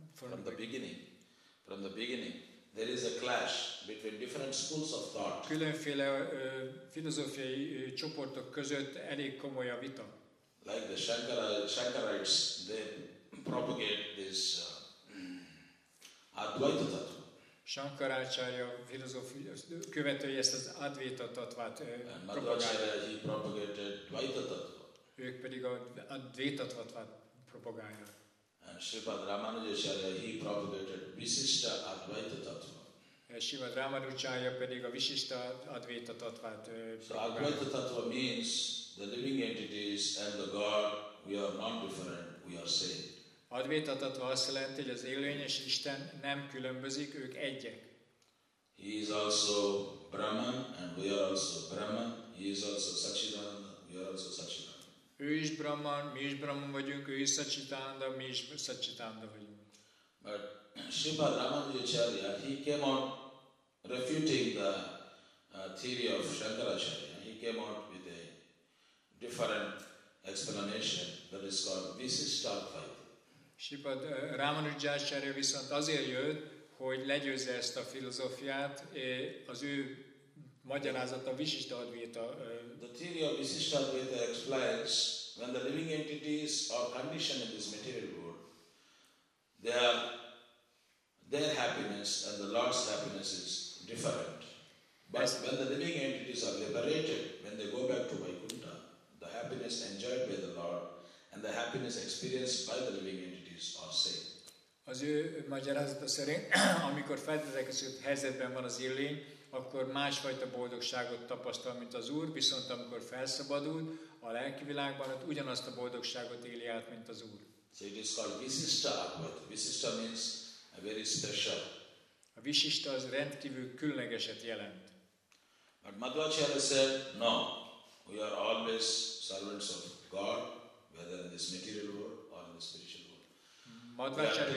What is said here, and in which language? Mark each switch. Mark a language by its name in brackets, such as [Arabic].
[English] From the beginning. There is a clash between different schools of thought. [Hungarian] Különféle filozófiai csoportok között elég komoly a vita. [English] Like the Shankarites, they propagate this Advaita Tattva. [Hungarian] Shankaracharya követői ezt az Advaita Tattvát propagálja. [English] He propagated Dvaita Tattva. [Hungarian] Ők pedig a Advaita Tattvát propagálja. [English] Śrīpāda Rāmānujācārya, he propagated Viśiṣṭa Advaita Tattva. [Hungarian] Śrīpāda Rāmānujācārya pedig a Viśiṣṭa Advaita Tattvát. [English] So Advaita Tattva means the living entities and the God, we are not different, we are same. [Hungarian] Advaita Tattva azt jelenti, hogy az élőlény és Isten nem különbözik, ők egyek. [English] He is also Brahman and we are also Brahman. He is also Sachidananda, we are also Sachidananda. [Hungarian] Ő is Brahman, mi is Brahman vagyunk, ő is Sacchitananda, mi is Sacchitananda vagyunk. [English] But Śrīpāda Rāmānujācārya, he came out refuting the theory of Śrīpāda. He came out with a different explanation that is called Viśiṣṭa Advaita. [Hungarian] Śrīpāda Rāmānujācārya viszont azért jött, hogy legyőzze ezt a filozófiát, az ő magyarázata Viśiṣṭa Advaita. [English] The theory of Viśiṣṭa Advaita explains when the living entities are conditioned in this material world, their happiness and the Lord's happiness is different. But when the living entities are liberated, when they go back to Vaikuntha, the happiness enjoyed by the Lord and the happiness experienced by the living entities are same. [Hungarian] Az ő magyarázata szerint, amikor feltételezett helyzetben van az élőlény, akkor másfajta boldogságot tapasztal, mint az Úr, viszont amikor felszabadul a lelki világban, ott ugyanazt a boldogságot éli át, mint az Úr. [English] So it is called Viśiṣṭa Advaita. Viśiṣṭa means a very special. [Hungarian] A Viśiṣṭa az rendkívül különlegeset jelent. [English] But Madhvacharya said, no, we are always servants of God, whether in this material world or in the spiritual world.